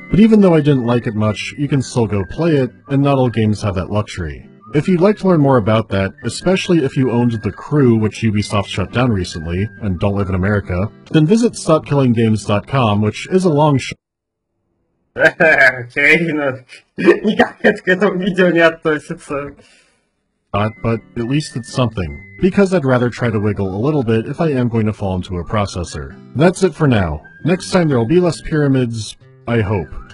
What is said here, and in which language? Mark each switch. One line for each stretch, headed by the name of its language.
English: But even though I didn't like it much, you can still go play it, and not all games have that luxury. If you'd like to learn more about that, especially if you owned The Crew, which Ubisoft shut down recently, and don't live in America, then visit StopKillingGames.com, which is a long sh- Okay, no.
Russian: Никак это к этому видео не относится.
English: But at least it's something. Because I'd rather try to wiggle a little bit if I am going to fall into a processor. That's it for now. Next time there'll be less pyramids, I hope.